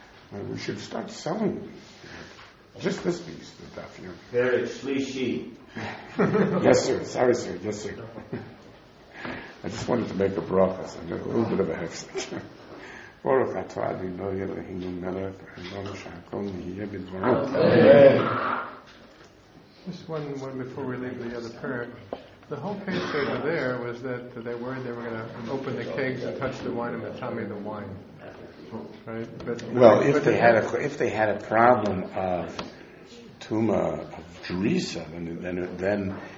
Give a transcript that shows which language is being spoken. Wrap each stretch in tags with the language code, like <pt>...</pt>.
<en>Well, we should start selling just this piece, the daf. Perek shlishi. Yes, sir. Sorry, sir. Yes, sir. I just wanted to make a bracha. I got a little bit of a hexic.</en> <he>ברוך אתה אדוני אלוהינו מלך העולם שהכל נהיה בדברו.</he> <en>Just one before we leave the other parent. The whole case over there was that they worried they were going to open the kegs and touch the wine and tell me the wine. Right? But well, if they had a problem of tumah, of drisa, then</en>